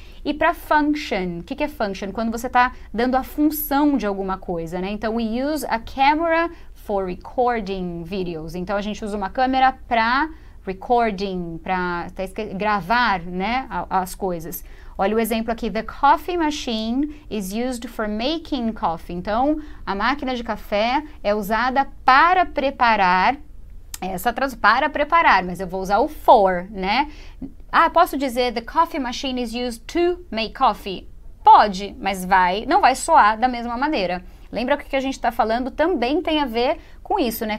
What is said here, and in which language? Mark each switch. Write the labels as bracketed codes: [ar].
[pt] E para function, o que, que é function? Quando você está dando a função de alguma coisa, né? [en] Então, we use a camera for recording videos. [pt] Então, a gente usa uma câmera para recording, para gravar, né, as coisas. Olha o exemplo aqui. [en] The coffee machine is used for making coffee. [pt] Então, a máquina de café é usada para preparar. Essa tradução, para preparar, mas eu vou usar o for, né? Ah, posso dizer [en] the coffee machine is used to make coffee? [pt] Pode, mas vai, não vai soar da mesma maneira. Lembra que o que a gente está falando também tem a ver com isso, né?